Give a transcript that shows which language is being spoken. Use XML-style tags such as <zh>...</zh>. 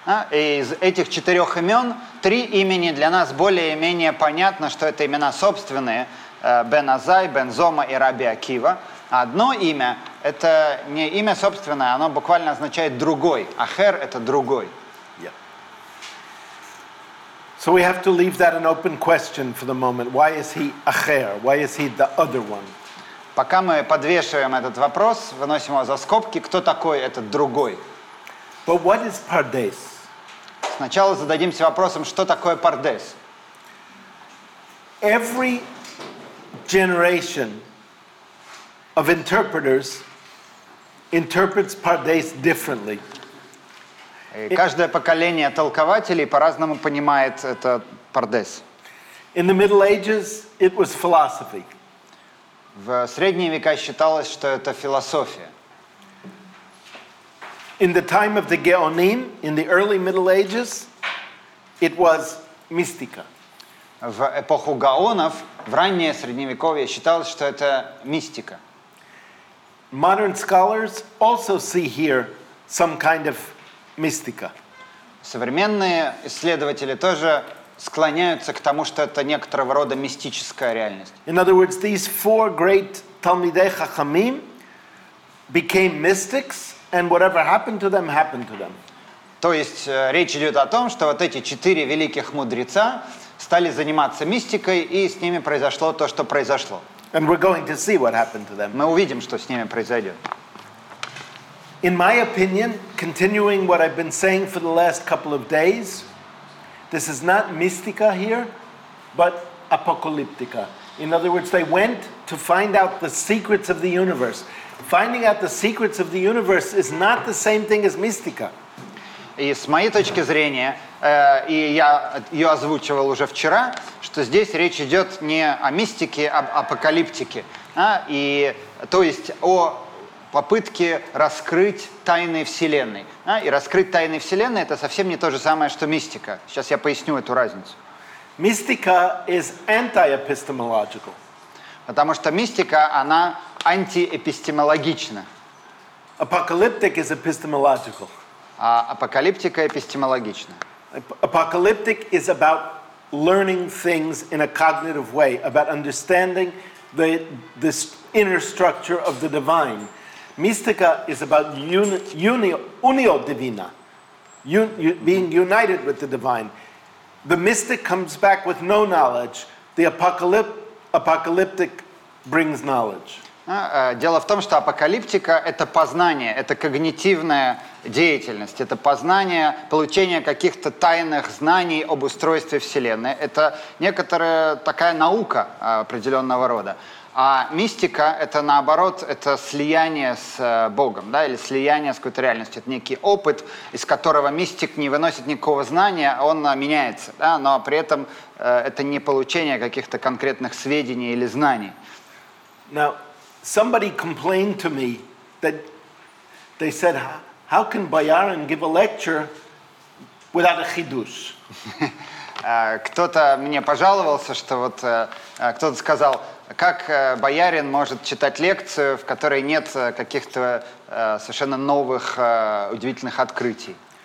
<ru>Из этих 4 имен 3 имени для нас более-менее понятно, что это имена собственные: Бен Азай, Бен Зома и Рабби Акива. Одно имя – это не имя собственное, оно буквально означает другой. Ахер – это другой.</ru> <en>Yeah. So we have to leave that an open question for the moment. Why is he Ахер? Why is he the other one?</en> <ru>Пока мы подвешиваем этот вопрос, выносим его за скобки. Кто такой этот другой?</ru> <en>But what is Pardes?</en> <ru>Сначала зададимся вопросом, что такое Pardes?</ru> <en>Every generation of interpreters interprets Pardes differently.</en> <ru>Каждое поколение толкователей по-разному понимает это Pardes.</ru> <en>In the Middle Ages it was philosophy.</en> <ru>В средние века считалось, что это философия.</ru> <en>In the time of the Geonim, in the early Middle Ages, it was mystica.</en> <ru>В эпоху Гаонов, в раннее Средневековье, считалось, что это мистика.</ru> <en>Modern scholars also see here some kind of mystica.</en> <ru>Современные исследователи тоже склоняются к тому, что это некоторого рода мистическая реальность.</ru> <en>In other words, these 4 great Talmidei Chachamim became mystics, and whatever happened to them, happened to them.</en> <ru>То есть речь идет о том, что вот эти 4 великих мудреца стали заниматься мистикой, и с ними произошло то, что произошло.</ru> <en>And we're going to see what happened to them.</en> <ru>Мы увидим, что с ними произойдет.</ru> <en>In my opinion, continuing what I've been saying for the last couple of days, this is not mystica here, but apocalyptica. In other words, they went to find out the secrets of the universe. Finding out the secrets of the universe is not the same thing as mystica.</en> <ru>И с моей точки зрения, и я ее озвучивал уже вчера, что здесь речь идет не о мистике, а об апокалиптике. И, то есть о попытке раскрыть тайны Вселенной. И раскрыть тайны Вселенной – это совсем не то же самое, что мистика. Сейчас я поясню эту разницу.</ru> <en>Mystica is anti-epistemological.</en> <ru>Потому что мистика, она антиэпистемологична.</ru> <en>Apocalyptic is epistemological.</en> <ru>А апокалиптика эпистемологична.</ru> <en>Apocalyptic is about learning things in a cognitive way, about understanding the inner structure of the divine. Mystica is about unio divina, being united with the divine. The mystic comes back with no knowledge. The apocalyptic brings knowledge.</en> <ru>Дело в том, что апокалиптика — это познание, это когнитивная деятельность, это познание, получение каких-то тайных знаний об устройстве Вселенной. Это некоторая такая наука определенного рода. А мистика — это, наоборот, это слияние с Богом, да, или слияние с какой-то реальностью. Это некий опыт, из которого мистик не выносит никакого знания, он меняется. Да, но при этом это не получение каких-то конкретных сведений или знаний.</ru> <en>Now, somebody complained to me that they said, how can Bayaran give a lecture without a chidush?</en> <ru>Кто-то мне пожаловался, что вот кто-то сказал, как Боярин может читать лекцию, в которой нет каких-то совершенно новых удивительных открытий.</ru>